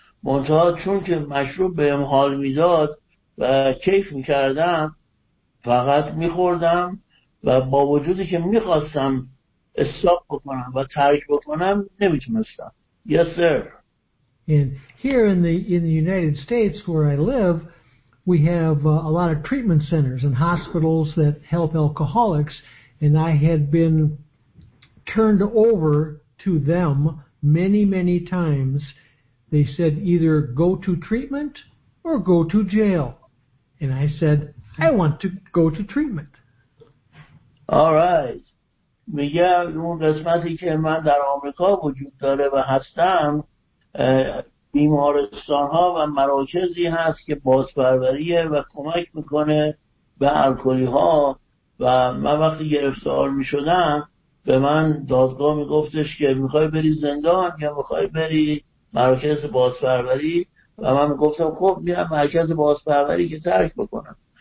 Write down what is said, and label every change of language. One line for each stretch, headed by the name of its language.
Persian: منتها چون که مشروب بهم حال میداد و کیف میکردم فقط میخوردم و با وجودی که میخواستم استاپ بکنم و ترک بکنم نمیتونستم.
English: Yes sir. And here in the United States where I live, we have a lot of treatment centers and hospitals that help alcoholics, and I had been turned over to them many many times. They said either go to treatment or go to jail. And I said, I want to go to treatment. All right.
Persian: میگه اون قسمتی که من در آمریکا وجود داره و هستم بیمارستان ها و مراکزی هست که بازپروریه و کمک میکنه به الکلی ها و من وقتی گرفتار میشدم به من دادگاه میگفتش که میخوای بری زندان یا میخوای بری مراکز بازپروری و من گفتم خب میرم مرکز بازپروری که ترک بکنم.